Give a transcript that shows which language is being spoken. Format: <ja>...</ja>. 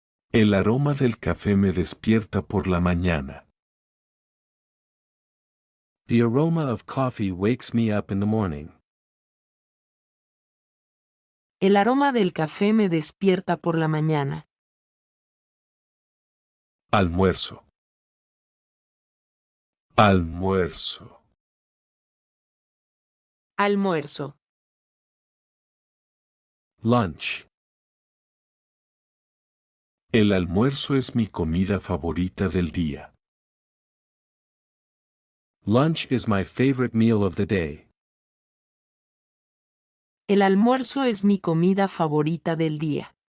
<es>El aroma del café me despierta por la mañana.</es> <en>The aroma of coffee wakes me up in the morning.</en> <es>El aroma del café me despierta por la mañana. Almuerzo. Almuerzo. Almuerzo.</es> <en>Lunch.</en> <es>El almuerzo es mi comida favorita del día.</es> <en>Lunch is my favorite meal of the day.</en> <es>El almuerzo es mi comida favorita del día.</es>